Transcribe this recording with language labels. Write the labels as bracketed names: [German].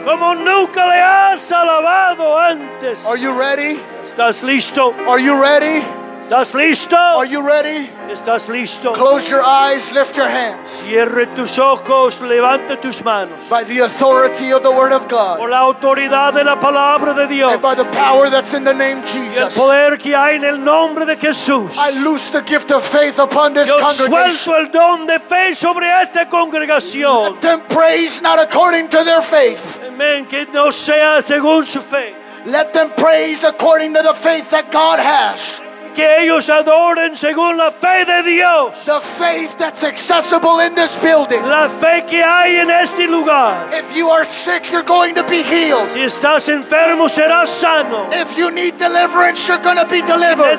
[Spanish] Como nunca le has alabado antes. [English] Are you ready? [Spanish] ¿Estás listo? [English] Are you ready? [Spanish] ¿Estás listo? [English] Are you ready? [Spanish] ¿Estás listo? [English] Close your eyes, lift your hands. [Spanish] Cierre tus ojos, levanta tus manos. [English] By the authority of the word of God. [Spanish] Por la autoridad de la palabra de Dios. [English] And by the power that's in the name Jesus. [Spanish] Y el poder que hay en el nombre de Jesús. [English] I loose the gift of faith upon this [Spanish] Yo [English] congregation. [Spanish] Suelto el don de fe sobre esta congregación. [English] Let them praise not according to their faith. [Spanish] Amen. Que no sea según su fe. [English] Let them praise according to the faith that God has. [Spanish] Que ellos adoren según la fe de Dios. [English] The faith that's accessible in this building. [Spanish] La fe que hay en este lugar. [English] If you are sick, you're going to be healed. [Spanish] Si estás enfermo, serás sano. [English] If you need deliverance, you're going to be delivered.